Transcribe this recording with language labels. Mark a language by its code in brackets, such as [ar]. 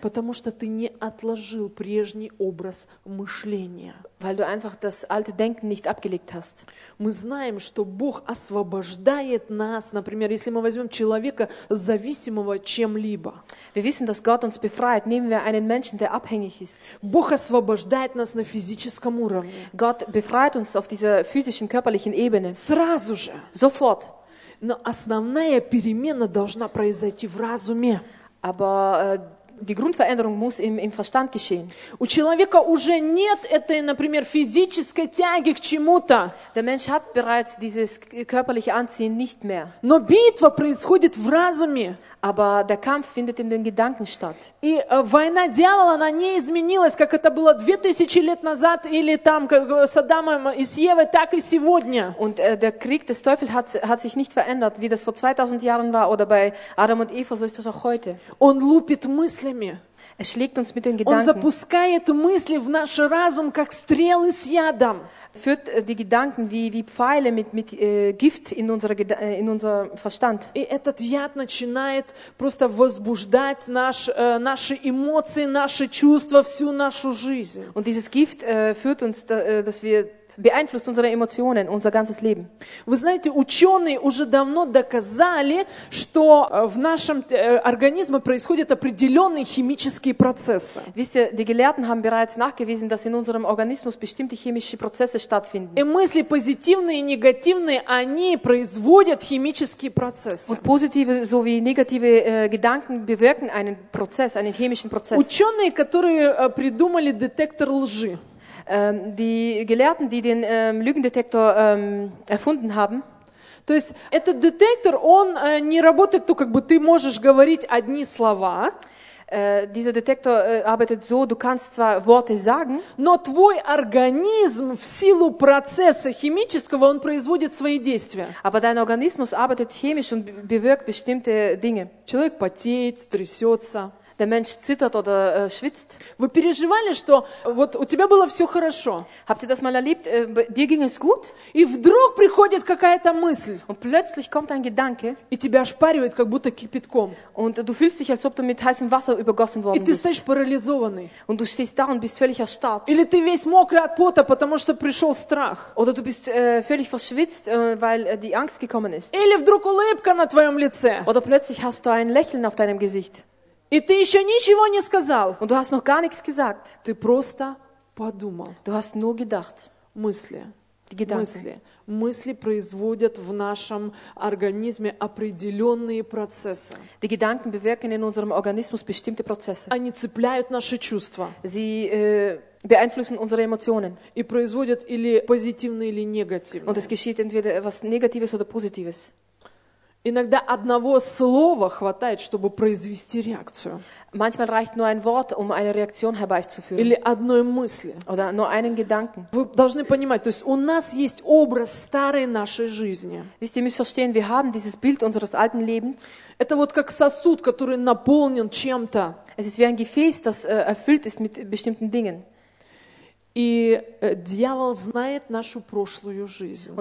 [ru] Потому что ты не отложил прежний образ мышления. [de] Weil du einfach das alte Denken nicht abgelegt hast. [ru] Мы знаем, что Бог освобождает нас, например, если мы возьмем человека, зависимого чем-либо. [de] Wir wissen, dass Gott uns befreit, nehmen wir einen Menschen, der abhängig ist. [ru] Бог освобождает нас на физическом уровне. [de] Gott befreit uns auf dieser physischen, körperlichen Ebene. [ru] Сразу же. [de] Sofort. [ru] Но основная перемена должна произойти в разуме. [de] Aber die Grundveränderung muss im Verstand geschehen. [ru] У человека уже нет этой, например, физической тяги к чему-то. [de] Der Mensch hat bereits dieses körperliche Anziehen nicht mehr. [ru] Но битва происходит в разуме. [de] Aber der Kampf findet in den Gedanken statt. [ru] И война дьявола, она не изменилась, как это было 2000 лет назад, или там, как с Адамом и с Евой, так и сегодня. [de] Und der Krieg des Teufels hat sich nicht verändert, wie das vor 2000 Jahren war, oder bei Adam und Eva, so ist das auch heute. [ru] Он лупит мыслями. [de] Er schlägt uns mit den Gedanken. [ru] Он запускает мысли в наш разум, как стрелы с ядом. [de] Führt die Gedanken wie Pfeile mit Gift in unser Verstand. [ru] И этот яд начинает просто возбуждать наши эмоции, наши чувства, всю нашу жизнь. [de] Und dieses Gift führt uns, dass wir beeinflusst unsere Emotionen, unser ganzes Leben. [ru] Вы знаете, ученые уже давно доказали, что в нашем организме происходят определенные химические процессы. [de] Wisst ihr, die Gelehrten haben bereits nachgewiesen, dass in unserem Organismus bestimmte chemische Prozesse stattfinden. [ru] И мысли позитивные и негативные, они производят химические процессы. [de] Und positive sowie negative Gedanken bewirken einen Prozess, einen chemischen Prozess. [ru] Ученые, которые придумали детектор лжи. [de] Die Gelehrten, die den Lügendetektor erfunden haben. [ru] То есть этот детектор, он не работает, то как бы ты можешь говорить одни слова. [de] Dieser Detektor arbeitet so, du kannst zwar Worte sagen, [ru] но твой организм в силу процесса химического, он производит свои действия. [de] Aber dein Organismus arbeitet chemisch und bewirkt bestimmte Dinge. [ru] Человек потеет, трясется. [de] Der Mensch zittert oder schwitzt. [ru] Вы переживали, что вот у тебя было все хорошо? [de] Habt ihr das mal erlebt? Dir ging es gut? [ru] И вдруг приходит какая-то мысль. [de] Und plötzlich kommt ein Gedanke. [ru] И тебя ошпаривает, как будто кипятком. [de] Und du fühlst dich, als ob du mit heißem Wasser übergossen worden bist. [ru] И ты стоишь парализованный. [de] Und du stehst da und bist völlig erstarrt. [ru] Или ты весь мокрый от пота, потому что пришел страх. [de] Oder du bist völlig verschwitzt, weil die Angst gekommen ist. [ru] Или вдруг улыбка на твоем лице. [de] Oder plötzlich hast du ein Lächeln auf deinem Gesicht. [ru] И ты еще ничего не сказал. [de] Und du hast noch gar nichts gesagt. [ru] Ты просто подумал. [de] Du hast nur gedacht. [ru] Мысли. [de] Die Gedanken. [ru] Мысли. Мысли производят в нашем организме определенные процессы. [de] Die Gedanken bewirken in unserem Organismus bestimmte Prozesse. [ru] Они цепляют наши чувства. [de] Sie beeinflussen unsere Emotionen. [ru] И производят или позитивные, или негативные. [de] Und es geschieht entweder etwas Negatives oder Positives. [ru] Иногда одного слова хватает, чтобы произвести реакцию. [de] Manchmal reicht nur ein Wort, um eine Reaktion herbeizuführen. [ru] Или одной мысли. [de] Oder nur einen Gedanken. [ru] Вы должны понимать, то есть у нас есть образ старой нашей жизни. [de] Wisst ihr, müsst verstehen, wir haben dieses Bild unseres alten Lebens. [ru] Это вот как сосуд, который наполнен чем-то. [de] Es ist wie ein Gefäß, das erfüllt ist mit bestimmten Dingen. [ru] И дьявол знает нашу прошлую жизнь.